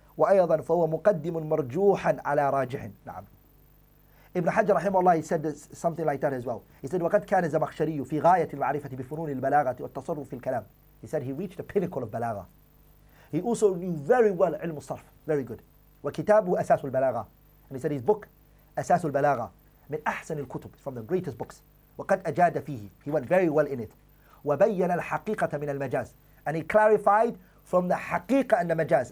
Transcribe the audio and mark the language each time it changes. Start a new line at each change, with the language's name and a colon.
Arabic: وأيضا فهو مقدم مرجوحا على راجح. نعم.
English: Ibn Hajar rahimahullah, he said this, something like that as well. He said,
Arabic: وقد كان زمخشري في غاية المعرفة بفنون البلاغة والتصرف في الكلام.
English: He said he reached the pinnacle of بلاغة. He also knew very well علم الصرف, very good.
Arabic: وكتابه أساس البلاغة.
English: And he said his book
Arabic: أساس البلاغة من أحسن الكتب,
English: from the greatest books.
Arabic: وقد أجاد فيه,
English: he went very well in it.
Arabic: وبين الحقيقة من المجاز,
English: and he clarified from the حقيقة and the مجاز.